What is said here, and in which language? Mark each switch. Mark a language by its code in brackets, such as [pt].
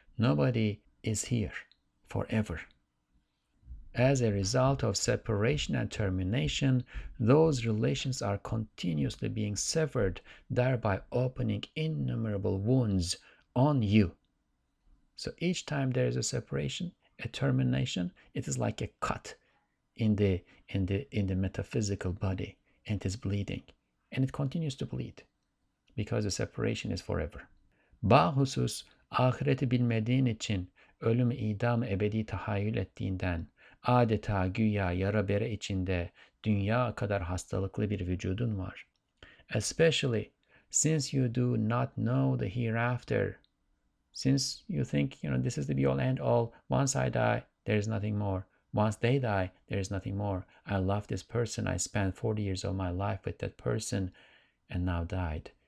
[en] Nobody is here forever. As a result of separation and termination, those relations are continuously being severed, thereby opening innumerable wounds on you. So each time there is a separation, a termination, it is like a cut in the metaphysical body, and it is bleeding. And it continues to bleed because the separation is forever. [tr] Bahusus ahireti bilmediğin için ölümü idam ebedi tahayyül ettiğinden adeta güya yara bere içinde dünya kadar hastalıklı bir vücudun var. [en] Especially since you do not know the hereafter, since you think, this is the be all end all, once I die, there is nothing more. Once they die, there is nothing more. I love this person. I spent 40 years of my life with that person and now died.